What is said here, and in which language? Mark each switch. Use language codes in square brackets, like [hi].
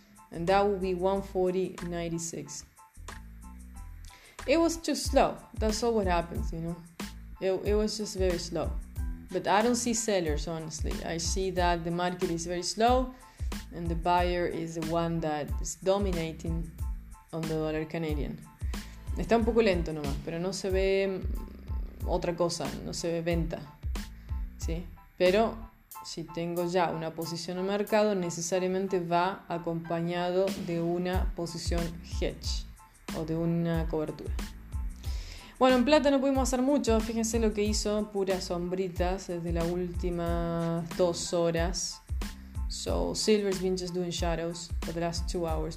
[en] And that will be 140.96. It was too slow. That's all what happens, you know. It was just very slow. But I don't see sellers, honestly. I see that the market is very slow and the buyer is the one that is dominating on the dollar Canadian. [es] Está un poco lento nomás, pero no se ve otra cosa. No se ve venta. ¿Sí? Pero si tengo ya una posición en mercado, necesariamente va acompañado de una posición hedge o de una cobertura. Bueno, en plata no pudimos hacer mucho. Fíjense lo que hizo, puras sombritas desde las últimas 2 horas. [en] So, silver's been just doing shadows for the last 2 hours.